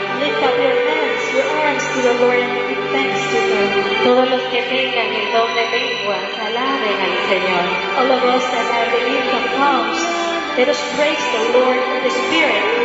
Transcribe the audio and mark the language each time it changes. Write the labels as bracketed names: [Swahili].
[English] Lift up your hands, your arms to the Lord and give thanks to Him. [Spanish] Todos los que tengan el don de lenguas, alaben al Señor. [English] All of us that have the gift of tongues, let us praise the Lord in the Spirit.